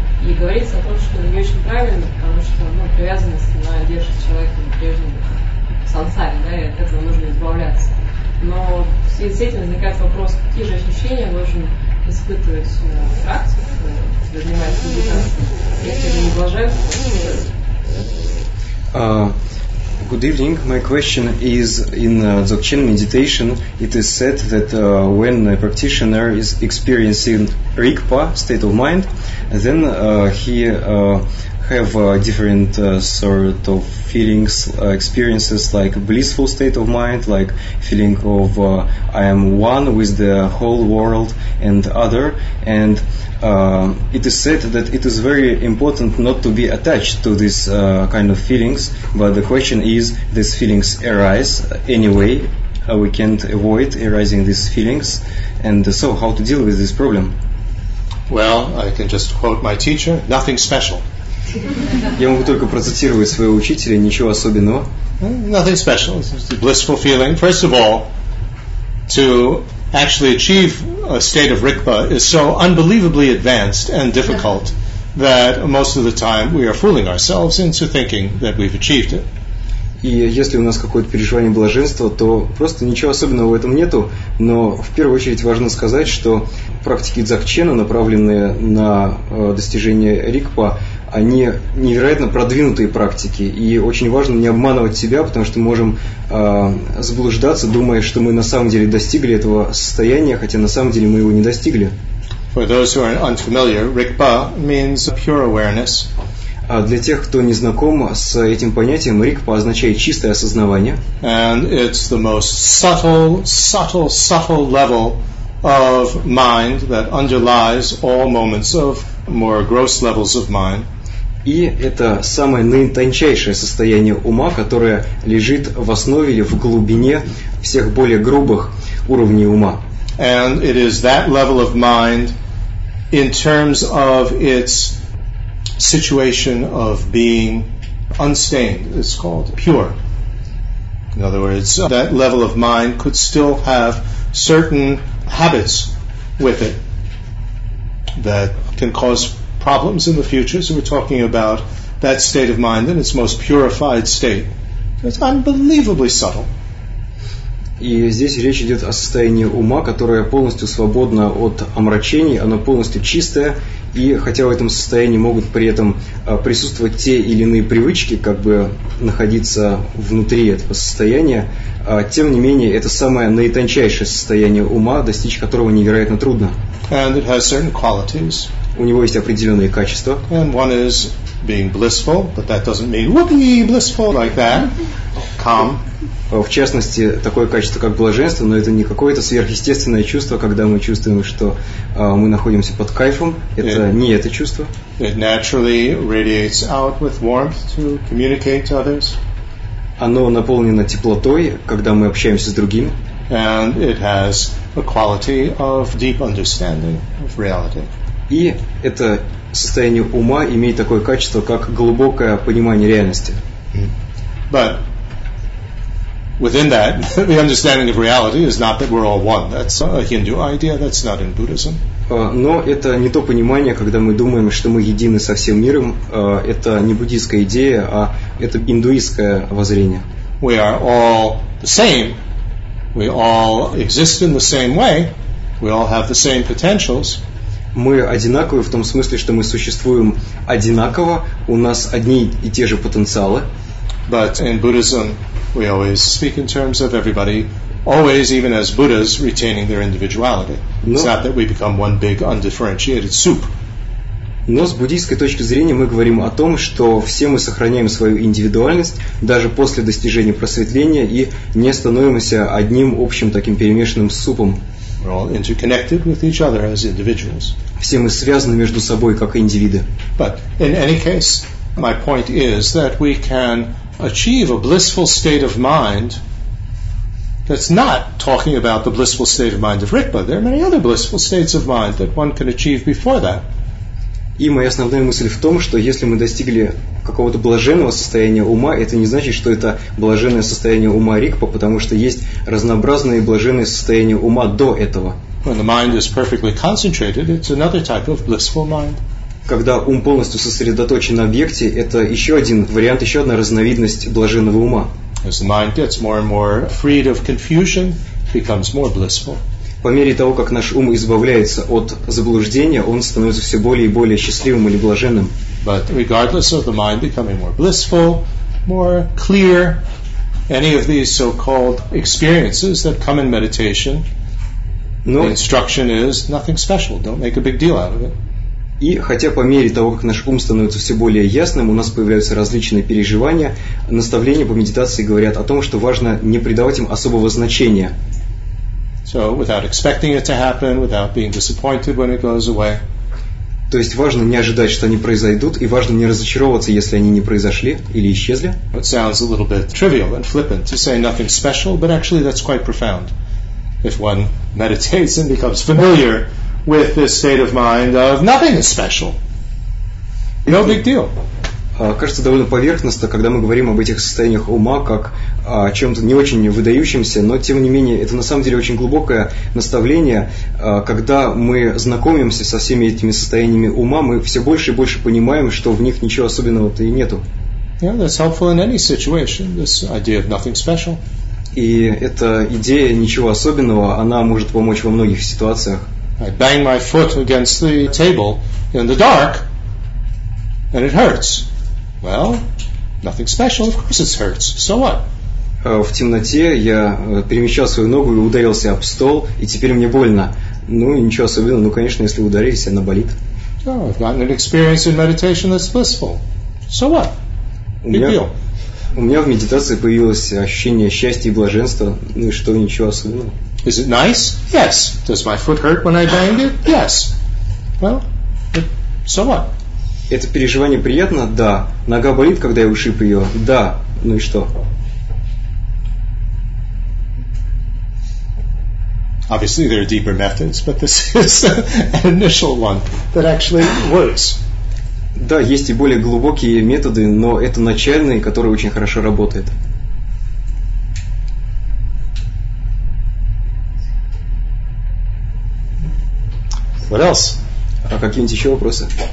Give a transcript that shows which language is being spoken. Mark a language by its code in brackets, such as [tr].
[ru] И говорится о том, что это не очень правильно, потому что привязанность, она держит человека на прежнем сансаре, да, и от этого нужно избавляться. Но в связи с этим возникает вопрос, какие же ощущения должен испытывать практик, занимаясь медитацией, если это не блаженство. [en] Good evening. My question is, in Dzogchen meditation, it is said that when a practitioner is experiencing rigpa, state of mind, then he have different sort of feelings, experiences, like a blissful state of mind, like feeling of I am one with the whole world and other. And it is said that it is very important not to be attached to this kind of feelings, but the question is, these feelings arise anyway. We can't avoid arising these feelings, and so how to deal with this problem? Well, I can just quote my teacher, nothing special. [ru] Я могу только процитировать своего учителя, ничего особенного. [en] Nothing special, it's just a blissful feeling. First of all, to actually achieve a state of rikpa is so unbelievably advanced and difficult that most of the time we are fooling ourselves into thinking that we've achieved it. [ru] И если у нас какое-то переживание блаженства, то просто ничего особенного в этом нету. Но в первую очередь важно сказать, что практики дзакчена, направленные на достижение рикпа, они невероятно продвинутые практики. И очень важно не обманывать себя, потому что мы можем заблуждаться, думая, что мы на самом деле достигли этого состояния, хотя на самом деле мы его не достигли. [en] For those who are unfamiliar, rikpa means pure awareness. [ru] А для тех, кто не знаком с этим понятием, рикпа означает чистое осознавание. [en] And it's the most subtle, subtle, subtle level of mind that underlies all moments of more gross levels of mind. [ru] И это самое наитончайшее состояние ума, которое лежит в основе или в глубине всех более грубых уровней ума. [en] And it is that level of mind in terms of its situation of being unstained, it's called pure. In other words, that level of mind could still have certain habits with it that can cause problems in the future. So we're talking about that state of mind in its most purified state. So it's unbelievably subtle. [ru] И здесь речь идет о состоянии ума, которое полностью свободно от омрачений, оно полностью чистое, и хотя в этом состоянии могут при этом присутствовать те или иные привычки, как бы находиться внутри этого состояния, тем не менее это самое наитончайшее состояние ума, достичь которого невероятно трудно. [en] And it has certain qualities. [ru] У него есть определенные качества. [en] And one is being blissful, but that doesn't mean whoopee blissful like that. Calm. [ru] В частности, такое качество, как блаженство, но это не какое-то сверхъестественное чувство, когда мы чувствуем, что мы находимся под кайфом. Это не это чувство. [en] It naturally radiates out with warmth to communicate to others. [ru] Оно наполнено теплотой, когда мы общаемся с другими. [en] And it has a quality of deep understanding of reality. [ru] И это состояние ума имеет такое качество, как глубокое понимание реальности. [en] But within that, the understanding of reality is not that we're all one. That's a Hindu idea. That's not in Buddhism. [ru] Но это не то понимание, когда мы думаем, что мы едины со всем миром. Это не буддийская идея, а это индуистское воззрение. [en] We are all the same. We all exist in the same way. We all have the same potentials. [ru] Мы одинаковы в том смысле, что мы существуем одинаково. У нас одни и те же потенциалы. [en] But in Buddhism, we always speak in terms of everybody, always, even as Buddhas, retaining their individuality. No. It's not that we become one big undifferentiated soup. [ru] Но с буддийской точки зрения мы говорим о том, что все мы сохраняем свою индивидуальность даже после достижения просветления и не становимся одним общим таким перемешанным супом. [en] We're all interconnected with each other as individuals. [ru] Все мы связаны между собой как индивиды. [en] But in any case, my point is that we can achieve a blissful state of mind that's not talking about the blissful state of mind of Rikpa. There are many other blissful states of mind that one can achieve before that. [ru] И моя основная мысль в том, что если мы достигли какого-то блаженного состояния ума, это не значит, что это блаженное состояние ума Рикпа, потому что есть разнообразные блаженные состояния ума до этого. [en] When the mind is perfectly concentrated, it's another type of blissful mind. [ru] Когда ум полностью сосредоточен на объекте, это еще один вариант, еще одна разновидность блаженного ума. [en] As the mind gets more and more freed of confusion, becomes more blissful. [ru] По мере того, как наш ум избавляется от заблуждения, он становится все более и более счастливым или блаженным. [en] But regardless of the mind becoming more blissful, more clear, any of these so-called experiences that come in meditation, the instruction is nothing special. Don't make a big deal out of it. [ru] И хотя по мере того, как наш ум становится все более ясным, у нас появляются различные переживания, наставления по медитации говорят о том, что важно не придавать им особого значения. [en] So, without expecting it to happen, without being disappointed when it goes away. [ru] То есть важно не ожидать, что они произойдут, и важно не разочаровываться, если они не произошли или исчезли. [en] It sounds a little bit trivial and flippant to say nothing special, but actually that's quite profound. If one meditates and becomes familiar with this state of mind of nothing is special, no big deal. [ru] Кажется довольно поверхностно, когда мы говорим об этих состояниях ума как о чем-то не очень выдающемся, но тем не менее это на самом деле очень глубокое наставление. Когда мы знакомимся со всеми этими состояниями ума, мы все больше и больше понимаем, что в них ничего особенного-то и нету. [en] Yeah, that's helpful in any situation, this idea of nothing special. [ru] И эта идея ничего особенного, она может помочь во многих ситуациях. [en] I bang my foot against the table in the dark, and it hurts. Well, nothing special, of course it hurts. So what? [ru] В темноте я перемещал свою ногу и ударился об стол, и теперь мне больно. Ну, ничего особенного, ну, конечно, если ударились, она болит. [en] Oh, I've gotten an experience in meditation that's blissful. So what? [ru] У меня в медитации появилось ощущение счастья и блаженства. Ну и что, ничего особенного. [en] Is it nice? Yes. Does my foot hurt when I banged it? Yes. Well, so what? [ru] Это переживание приятно? Да. Нога болит, когда я ушиб ее? Да. Ну и что? [en] Obviously, there are deeper methods, but this is an initial one that actually works. [ru] Да, есть и более глубокие методы, но это начальный, который очень хорошо работает. [en] What else? [ru] А какие-нибудь еще вопросы?